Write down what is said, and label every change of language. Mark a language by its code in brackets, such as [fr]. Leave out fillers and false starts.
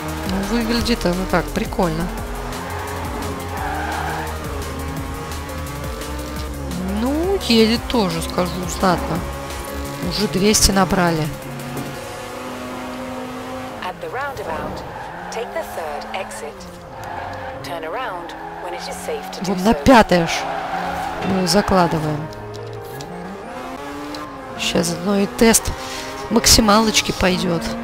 [ru] Ну, выглядит оно так, прикольно. Ну, едет тоже, скажу, знатно. Уже 200 набрали. [en] At the roundabout, take the third exit. Turn around. [ru] Вот на пятое аж мы закладываем. Сейчас одно и тест максималочки пойдет.